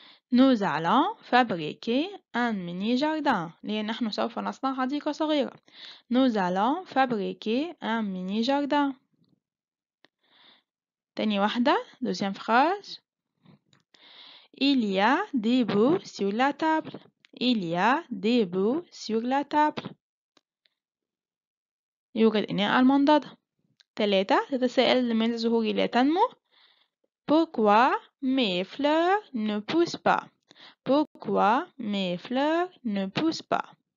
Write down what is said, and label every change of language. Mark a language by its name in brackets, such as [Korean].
[French] nous allons fabriquer un mini jardin [Arabic] لأن نحن سوف نصنع حديقة صغيرة [French] nous allons fabriquer un mini jardin [Arabic] تاني واحدة [French] deuxième phrase Il y a des bouts sur la table. Il y a des bouts sur la table. [Arabic] يوجد إناء على المنضدة. ثلاثة تتساءل لماذا ظهور لا تنمو. [French] Pourquoi mes fleurs ne poussent pas? Pourquoi mes fleurs ne poussent pas?